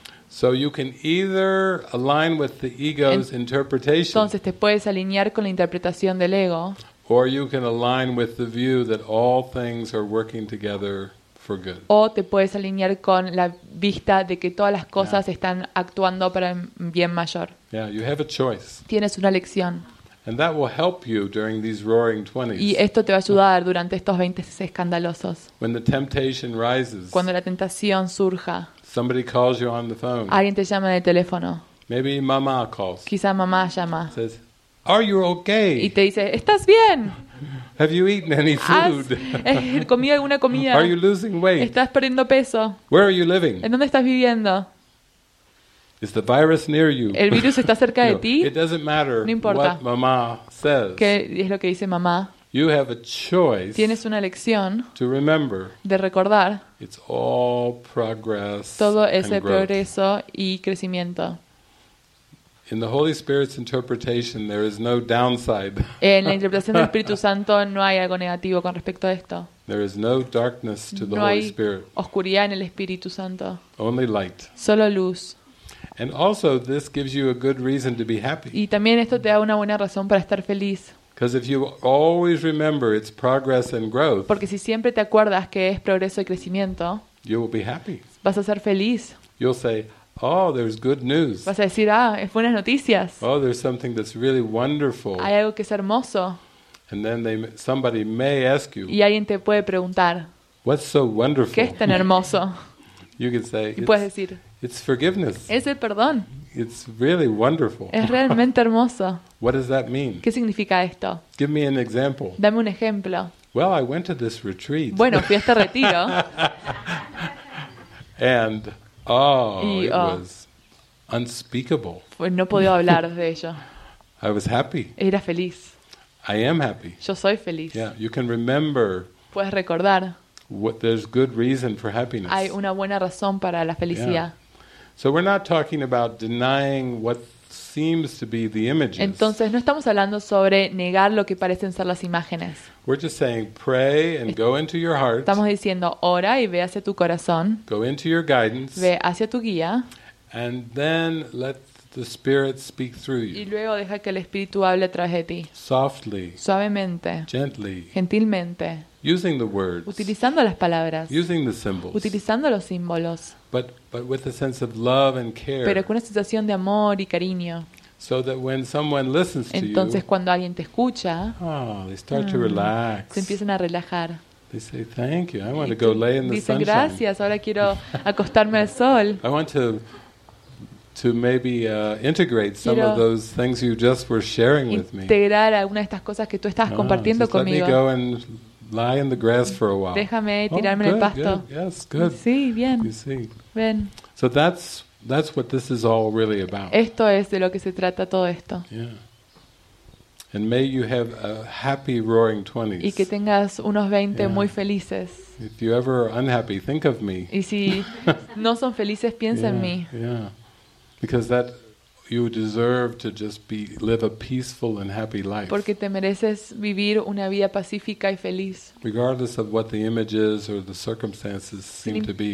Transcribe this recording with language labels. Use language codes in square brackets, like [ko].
[en] So you can either align with the ego's interpretation. [es] Entonces te puedes alinear con la interpretación del ego. [en] Or you can align with the view that all things are working together for good. [es] O te puedes alinear con la vista de que todas las cosas están actuando para el bien mayor. [en] Yeah, you have a choice. [es] Tienes una elección. [en] And that will help you during these roaring 20s. [es] Y esto te va a ayudar durante estos 20 escandalosos. [en] When the temptation rises. [es] Cuando la tentación surja. [en] Somebody calls you on the phone. [es] Alguien te llama en el teléfono. [en] Maybe mama calls. [es] Quizá mamá llama. [en] Says, "Are you okay?" [es] Y te dice, "¿Estás bien?" [en] Have you eaten any food? [es] ¿Has comido alguna comida? [en] Are you losing weight? [es] ¿Estás perdiendo peso? [en] Where are you living? [es] ¿En dónde estás viviendo? [en] Is the virus near you? [es] ¿El virus está cerca de ti? [en] It doesn't matter. [es] No importa. [en] What mama says. [es] ¿Qué es lo que dice mamá? [en] You have a choice. [es] Tienes una elección. [en] To remember. [es] De recordar. [en] It's all progress. [es] Todo es el progreso y crecimiento. [en] In the Holy Spirit's interpretation, there is no downside. [es] En la interpretación del Espíritu Santo no hay algo negativo con respecto a esto. [en] There is no darkness to the Holy Spirit. [es] No hay oscuridad en el Espíritu Santo. [en] Only light. [es] Solo luz. [en] And also, this gives you a good reason to be happy. [es] Y también esto te da una buena razón para estar feliz. [en] Because if you always remember it's progress and growth. [es] Porque si siempre te acuerdas que es progreso y crecimiento. [en] You will be happy. [es] Vas a ser feliz. [en] You'll say, "Oh, there's good news." [es] Vas a decir, "Ah, es buenas noticias." [en] Oh, there's something that's really wonderful. [es] Hay algo que es hermoso. [en] And then somebody may ask you. [es] Y alguien te puede preguntar. [en] What's so wonderful? [es] ¿Qué es tan hermoso? [en] You can say. [es] Y puedes decir. [en] It's forgiveness. [es] Es el perdón. [en] It's really wonderful. [es] Es realmente hermoso. [en] What does that mean? [es] ¿Qué significa esto? [en] Give me an example. [es] Dame un ejemplo. [en] Well, I went to this retreat. [es] Bueno, fui a este retiro. [en] And it was unspeakable. [es] No podía hablar de ello. [en] I was happy. [es] Era feliz. [en] I am happy. [es] Yo soy feliz. [en] Yeah, you can remember. [es] Puedes recordar. [en] What there's good reason for happiness. [es] Hay una buena razón para la felicidad. Yeah. [en] So we're not talking about denying what seems to be the images. [es] Entonces no estamos hablando sobre negar lo que parecen ser las imágenes. [en] We're just saying pray and go into your heart. [es] Estamos diciendo ora y ve hacia tu corazón. [en] Go into your guidance. [es] Ve hacia tu guía. [en] And then let the spirit speak through you. [es] Y luego deja que el espíritu hable a través de ti. [en] Softly. [es] Suavemente. [en] Gently. [es] Gentilmente. [en] Using the words. [es] Utilizando las palabras. [en] Using the symbols. [es] Utilizando los símbolos. [en] But with a sense of love and care. [es] Pero con una sensación de amor y cariño. [en] So that when someone listens to you. [es] Entonces cuando alguien te escucha. [en] Oh, they start to relax. [es] Se empiezan a relajar. [en] They say thank you. I want to go lay in the sunshine. [es] Dicen gracias. Ahora quiero acostarme al sol. [en] I want to maybe integrate some of those things you just were sharing with me. [es] Integrar algunas de estas cosas que tú estabas compartiendo conmigo. [en] Let me go and lie in the grass for a while. [es] Déjame tirarme en el pasto. [en] Good. Yes, good. [es] Sí, bien. [en] You see. [es] Ven. [en] So that's what this is all really about. [es] Esto es de lo que se trata todo esto. [en] Yeah. And may you have a happy roaring 20s. [es] Y que tengas unos 20 muy felices. [en] If you ever are unhappy, think of me. [es] Y si no son felices, piensa en mí. [en] Yeah. Because that you deserve to just be live a peaceful and happy life. [es] Porque te mereces vivir una vida pacífica y feliz. [en] Regardless of what the images or the circumstances seem to be.